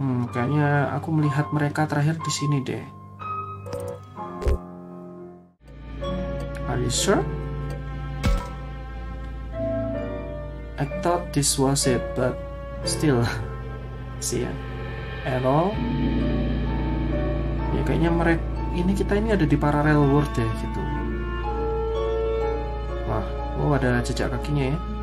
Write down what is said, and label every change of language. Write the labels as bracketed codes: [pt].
[id] Kayaknya aku melihat mereka terakhir di sini deh. [en] Are you sure? I thought this was it, but still, see ya. At all? [id] Ya kayaknya mereka ini kita ini ada di parallel world ya gitu. Wah, oh ada jejak kakinya ya.